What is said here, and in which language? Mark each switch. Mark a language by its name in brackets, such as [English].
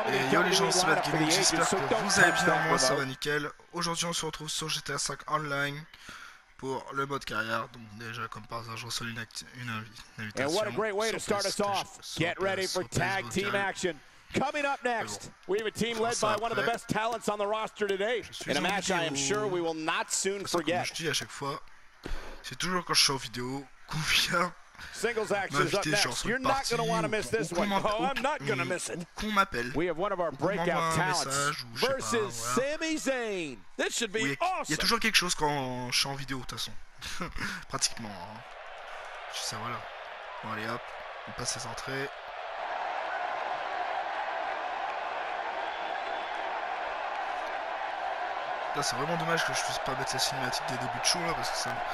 [French] Et yo les gens, c'est MadGaming, j'espère que vous allez bien, moi ça va nickel. Aujourd'hui on se retrouve sur GTA 5 Online pour le mode carrière. Donc déjà comme par hasard je reçois une invitation sur PS, sur PS vocal. [English] Coming up next, we have a team led by one of the best talents on the roster today. In a match I am sure we will not soon forget. [French] Je dis à chaque fois, c'est toujours quand je suis en vidéo, combien... [English] Singles action is up next. You're not going to want to miss this one. Oh, I'm not going to miss it. We have one of our breakout talents versus Sami Zayn. This should be awesome. [French] Il y a toujours quelque chose quand je suis en vidéo, de toute façon. Pratiquement. Je sais, voilà. Bon, allez, hop. On passe les entrées. Là, c'est vraiment dommage que je puisse pas mettre la cinématique des débuts de show, là, parce que ça...